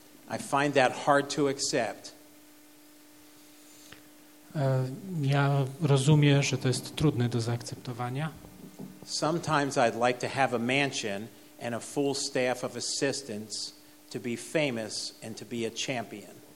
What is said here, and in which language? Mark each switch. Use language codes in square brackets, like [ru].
[en] I find that hard to accept. [pl] Ja rozumiem, że to jest trudne do zaakceptowania. [en] Sometimes I'd like to have a mansion and a full staff of assistants to be famous and to be a champion.